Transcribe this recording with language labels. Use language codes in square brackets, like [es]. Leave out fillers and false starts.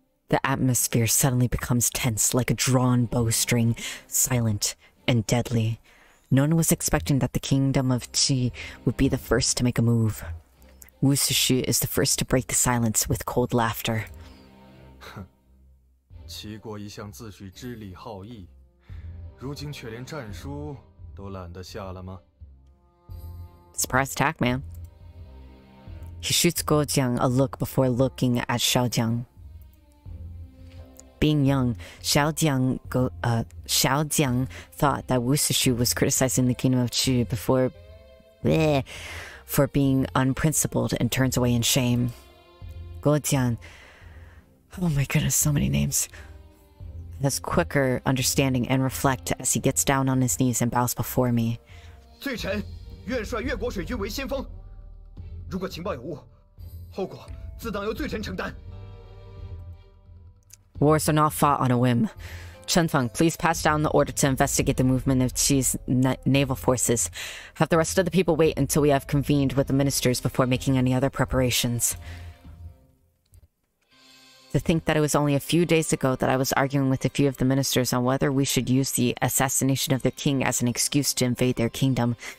[en] The atmosphere suddenly becomes tense like a drawn bowstring, silent and deadly. No one was expecting that the kingdom of Qi would be the first to make a move. Wu Sushu is the first to break the silence with cold laughter. [zh] 齐国一向自诩知礼好义，如今却连战书都懒得下了吗？ [en] Surprise attack, man. He shoots Guo Jiang a look before looking at Xiaojiang. Being young, Xiaojiang thought that Wu Sushu was criticizing the kingdom of Qi before... for being unprincipled and turns away in shame. Guo Jian, oh my goodness, so many names, has quicker understanding and reflect as he gets down on his knees and bows before me. [zh] 罪臣愿率越国水军为先锋，如果情报有误，后果自当由罪臣承担。 [en] Wars are not fought on a whim. Chen Feng, please pass down the order to investigate the movement of Qi's naval forces. Have the rest of the people wait until we have convened with the ministers before making any other preparations. to think that it was only a few days ago that I was arguing with a few of the ministers on whether we should use the assassination of their king as an excuse to invade their kingdom.